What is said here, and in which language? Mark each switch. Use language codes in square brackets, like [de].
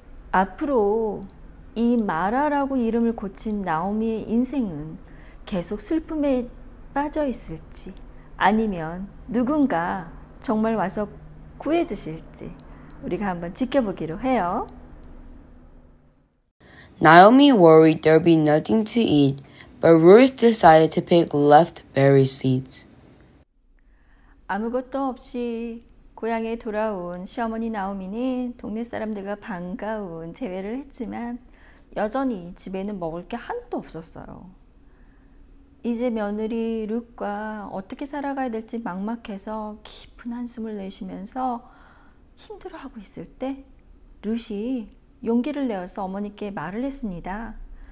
[ko] 앞으로 이 마라라고 이름을 고친 나오미의 인생은 계속 슬픔에 빠져 있을지 아니면 누군가 정말 와서 구해 주실지 우리가 한번 지켜보기로 해요. [en] Naomi worried there'd be nothing to eat, but Ruth decided to pick left berry seeds. [ko] 아무것도 없이 고향에 돌아온 시어머니 나오미는 동네 사람들과 반가운 재회를 했지만 여전히 집에는 먹을 게 한도 없었어요. 이제 며느리 룻과 어떻게 살아가야 될지 막막해서 깊은 한숨을 내쉬면서 힘들어하고 있을 때 룻이 용기를 내어서 어머니께 말을 했습니다.